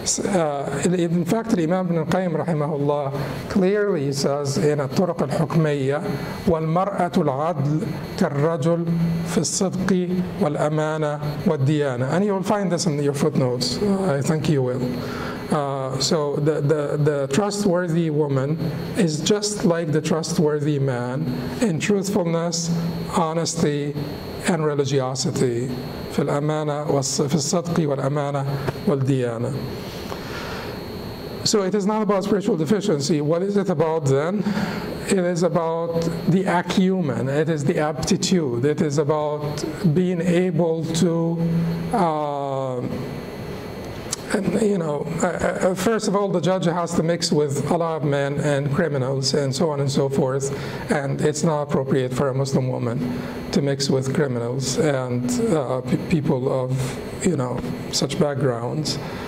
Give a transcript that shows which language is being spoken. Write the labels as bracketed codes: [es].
[en] In fact, Imam Ibn al-Qayyim rahimahullah clearly says in al-Turuq al-Hukmiyya, [ar] وَالْمَرْأَةُ الْعَدْلُ كَالْرَجُلْ فِي الصِّدْقِ وَالْأَمَانَةِ وَالدِّيَانَةِ. [en] And you will find this in your footnotes. I think you will. So the trustworthy woman is just like the trustworthy man in truthfulness, honesty, and religiosity. [ar] في الأمانة وفي الصدق والأمانة والديانة. [en] So it is not about spiritual deficiency. What is it about then? It is about the acumen. It is the aptitude. It is about being able to. And, you know, first of all, the judge has to mix with a lot of men and criminals and so on and so forth, and it's not appropriate for a Muslim woman to mix with criminals and people of, you know, such backgrounds.